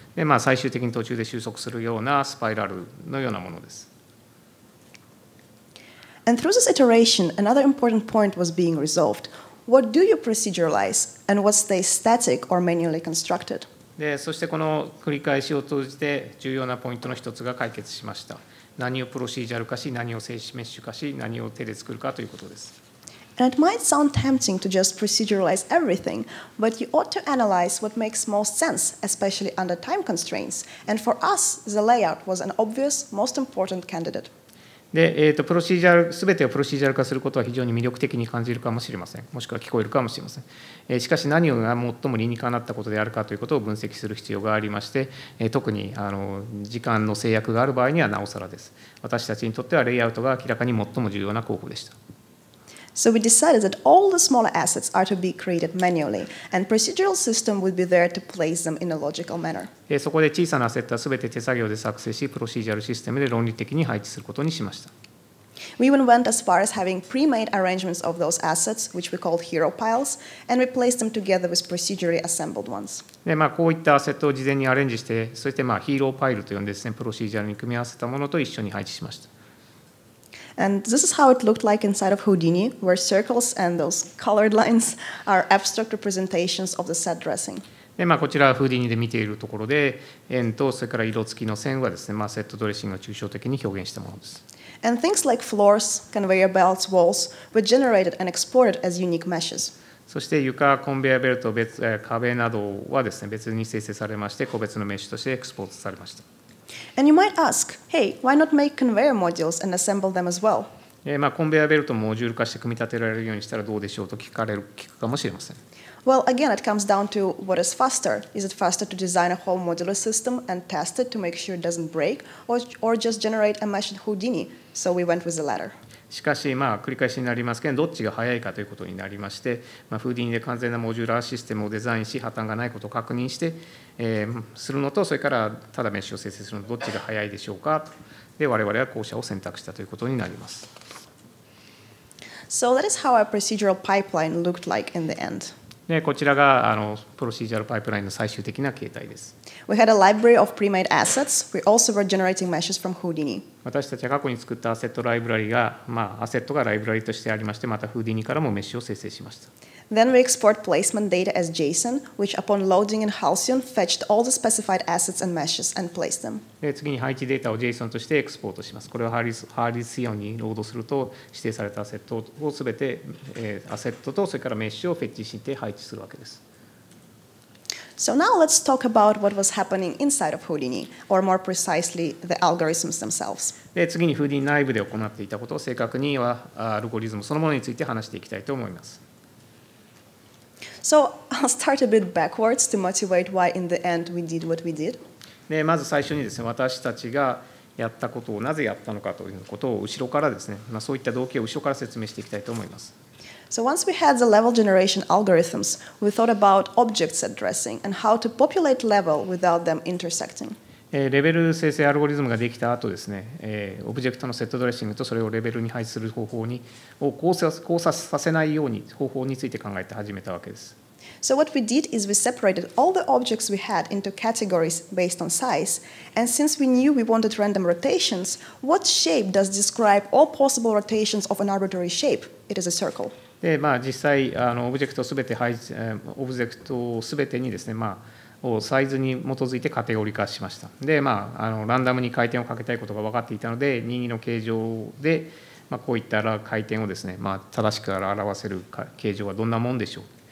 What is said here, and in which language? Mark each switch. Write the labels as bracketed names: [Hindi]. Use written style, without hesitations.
[Japanese] で、まあ、最終的に途中で収束するようなスパイラルのようなものです。 [English] And through this iteration, another important point was being resolved. What do you proceduralize, and what stays static or manually constructed? [Japanese] で、そしてこの繰り返しを通じて重要なポイントの一つが解決しました。何をプロシージャル化し、何を静止メッシュ化し、何を手で作るかということです。 [English] And it might sound tempting to just proceduralize everything, but you ought to analyze what makes most sense, especially under time constraints. And for us, the layout was an obvious, most important candidate. [Japanese] で、プロシージャル、すべてをプロシージャル化することは非常に魅力的に感じるかもしれません。もしくは聞こえるかもしれません。しかし何が最も理にかなったことであるかということを分析する必要がありまして、特に時間の制約がある場合にはなおさらです。私たちにとってはレイアウトが明らかに最も重要な候補でした。 [English] So we decided that all the smaller assets are to be created manually, and procedural system would be there to place them in a logical manner. [Japanese] そこで小さなアセットはすべて手作業で作成し、プロシージャルシステムで論理的に配置することにしました。 [English] We even went as far as having pre-made arrangements of those assets, which we called hero piles, and we placed them together with procedurally assembled ones. [Japanese] で、まあ、こういったアセットを事前にアレンジして、そして、まあ、ヒーローパイルと呼んでですね、プロシージャルに組み合わせたものと一緒に配置しました。 [English] And this is how it looked like inside of Houdini, where circles and those colored lines are abstract representations of the set dressing. [Japanese] で、まあ、こちらはフーディニで見ているところで、円とそれから色付きの線はですね、まあ、セットドレッシングを抽象的に表現したものです。 [English] And things like floors, conveyor belts, walls were generated and exported as unique meshes. [Japanese] そして床、コンベアベルト、壁などはですね、別に生成されまして、個別のメッシュとしてエクスポートされました。 [English] And you might ask, hey, why not make conveyor modules and assemble them as well? [Japanese] まあ、コンベアベルトをモジュール化して組み立てられるようにしたらどうでしょうと聞くかもしれません。 [English] Well, again, it comes down to what is faster. Is it faster to design a whole modular system and test it to make sure it doesn't break, or just generate a mesh in Houdini? So we went with the latter. [Japanese] しかし、まあ、繰り返しになりますけど、どっちが早いかということになりまして、まあ、Houdini で完全なモジュラーシステムをデザインし、破綻がないことを確認して、するのと、それからただメッシュを生成するのどっちが早いでしょうかと。で、我々は後者を選択したということになります。 [English] So that is how our procedural pipeline looked like in the end. [Japanese] で、こちらがプロシージャルパイプラインの最終的な形態です。 [English] We had a library of pre-made assets. We also were generating meshes from Houdini. [Japanese] 私たちは過去に作ったアセットライブラリが、まあ、アセットがライブラリとしてありまして、また Houdini からもメッシュを生成しました。 [English] Then we export placement data as JSON, which upon loading in Halcyon fetched all the specified assets and meshes and placed them. [Japanese] 次に配置データを JSON としてエクスポートします。これをHalcyonにロードすると指定されたアセットをすべて、アセットとそれからメッシュをフェッチして配置するわけです。 [English] So now let's talk about what was happening inside of Houdini, or more precisely, the algorithms themselves. [Japanese] で、次に Houdini 内部で行っていたことを正確にはアルゴリズムそのものについて話していきたいと思います。 [English] So I'll start a bit backwards to motivate why in the end we did what we did. [Japanese] で、まず最初にですね、私たちがやったことをなぜやったのかということを後ろからですね、まあ、そういった動機を後ろから説明していきたいと思います。 [English] So once we had the level generation algorithms, we thought about object set dressing and how to populate level without them intersecting. [Japanese] レベル生成アルゴリズムができた後ですね、オブジェクトのセットドレッシングとそれをレベルに配置する方法に交差させないように方法について考えて始めたわけです。 [English] So what we did is we separated all the objects we had into categories based on size, and since we knew we wanted random rotations, what shape does describe all possible rotations of an arbitrary shape? It is a circle. [Japanese] で、まあ、実際オブジェクトすべて配置、オブジェクトすべてにですね、まあ、をサイズに基づいてカテゴリー化しました。で、まあ、ランダムに回転をかけたいことが分かっていたので、任意の形状で、まあ、こういった回転をですね、まあ、正しく表せる形状はどんなもんでしょう。